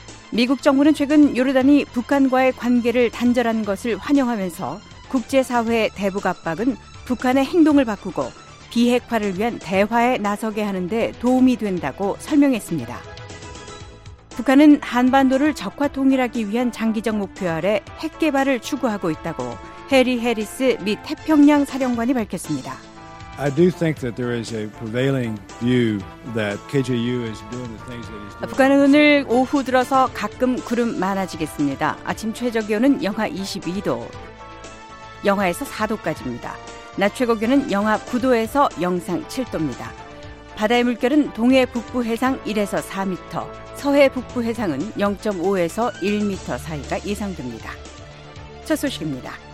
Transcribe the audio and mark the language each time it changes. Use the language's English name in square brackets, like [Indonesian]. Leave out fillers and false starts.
[Korean] 미국 정부는 최근 요르단이 북한과의 관계를 단절한 것을 환영하면서 국제사회의 대북 압박은 북한의 행동을 바꾸고 비핵화를 위한 대화에 나서게 하는 데 도움이 된다고 설명했습니다. 북한은 한반도를 적화 통일하기 위한 장기적 목표 아래 핵 개발을 추구하고 있다고 해리 해리스 미 태평양 사령관이 밝혔습니다. [English] I do think that there is a prevailing view that KJU is doing the things that is. [Korean] 북한은 오늘 오후 들어서 가끔 구름 많아지겠습니다. 아침 최저 기온은 영하 22도, 영하에서 4도까지입니다. 낮 최고 기온은 영하 9도에서 영상 7도입니다. 바다의 물결은 동해 북부 해상 1에서 4m, 서해 북부 해상은 0.5에서 1m 사이가 예상됩니다. 첫 소식입니다.